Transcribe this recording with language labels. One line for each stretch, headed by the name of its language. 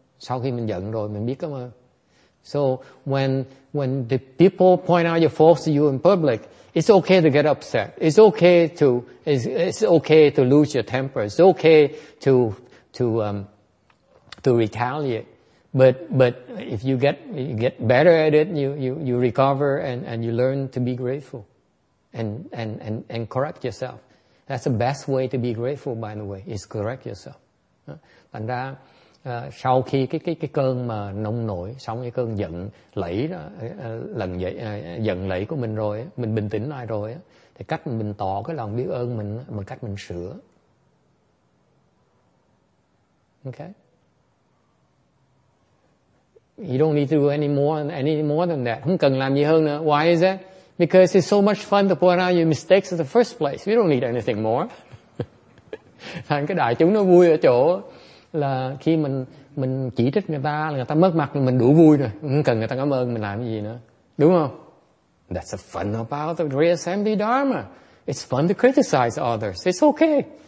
Vietnamese: Sau khi mình giận rồi, mình biết cảm ơn.
English: So when the people point out your faults to you in public, it's okay to get upset. It's okay to lose your temper. It's okay to retaliate. But if you get better at it, you recover and you learn to be grateful, and correct yourself. That's the best way to be grateful, by the way, is correct yourself.
Vietnamese: Thành ra, sau khi cái cơn mà nông nổi, xong cái cơn giận lẫy đó, lần dậy, giận lẫy của mình rồi, mình bình tĩnh lại rồi, thì cách mình tỏ cái lòng biết ơn mình bằng cách mình sửa.
English: Okay? You don't need to do any more than that.
Vietnamese: Không cần làm gì hơn nữa.
English: Why is that? Because it's so much fun to point out your mistakes in the first place. We don't need anything more.
Vietnamese: Thành cái đại chúng nó vui ở chỗ là khi mình chỉ trích người ta mất mặt mình đủ vui rồi. Không cần người ta cảm ơn mình làm cái gì nữa. Đúng không?
English: That's the fun about the reassembly dharma. It's fun to criticize others. It's okay.